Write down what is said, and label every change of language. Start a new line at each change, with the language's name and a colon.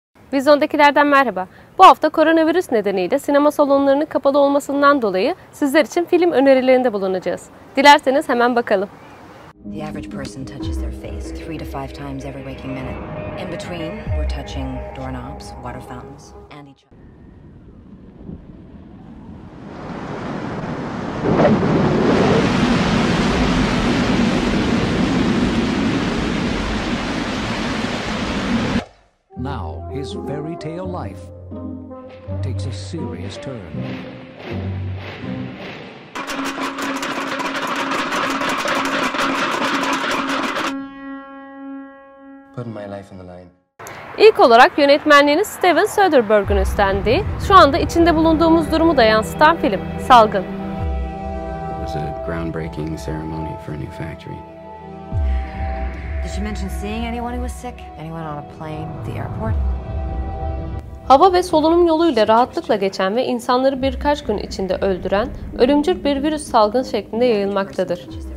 Turkish: Televizyondakilerden merhaba. Bu hafta koronavirüs nedeniyle sinema salonlarının kapalı olmasından dolayı sizler için film önerilerinde bulunacağız. Dilerseniz hemen bakalım.
English: The average person touches their face 3 to 5 times every waking minute. In between, we're touching doorknobs, water fountains, and each other. Now, his fairy tale life takes a serious turn. Putting my life on the line.
Turkish: İlk olarak yönetmenliğini Steven Soderbergh'ün üstlendiği, şu anda içinde bulunduğumuz durumu da yansıtan film, Salgın.
English: It was a groundbreaking ceremony for a new factory. Did she mention seeing anyone who was sick? Anyone on a plane at the airport?
Turkish: Hava ve solunum yoluyla rahatlıkla geçen ve insanları birkaç gün içinde öldüren ölümcül bir virüs salgını şeklinde yayılmaktadır.